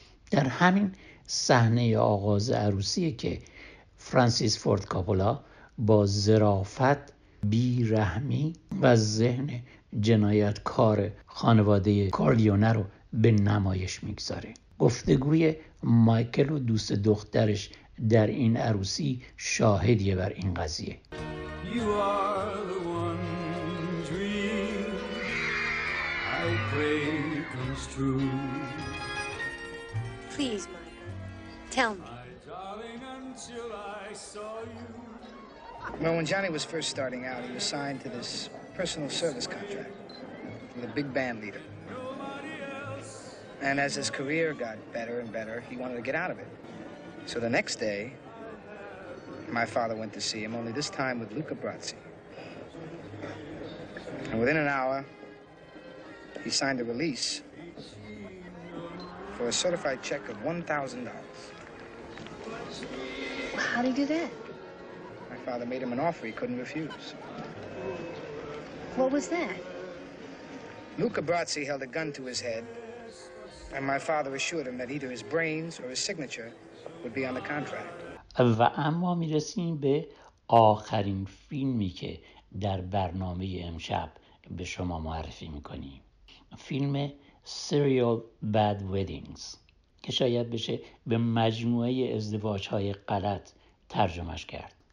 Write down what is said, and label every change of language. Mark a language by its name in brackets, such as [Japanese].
[Persian] در همین صحنه آغاز عروسیه که فرانسیس فورد کاپولا با ظرافت، بی‌رحمی و ذهن جنایتکار خانواده کارلیونه رو به نمایش میگذاره. گفتگوی مایکل و دوست دخترش در این عروسی شاهدیه بر این قضیه. [English] You are the one dream I pray comes true. Please, Mike. Tell me. My darling, until I saw you. Well, when Johnny was first starting out, he was signed to this personal service contract from the big band leader. And as his career got better and better, he wanted to get out of it. So the next day, my father went to see him, only this time with Luca Brasi. And within an hour, he signed a release for a certified check of $1,000. How did he do that? My father made him an offer he couldn't refuse. What was that? Luca Brasi held a gun to his head, and my father assured him that either his brains or his signature would be on the contract. [Persian] و اما می رسیم به آخرین فیلمی که در برنامه امشب به شما معرفی میکنیم. فیلم Serial Bad Weddings که شاید بشه به مجموعه ازدواج‌های غلط ترجمهش کرد.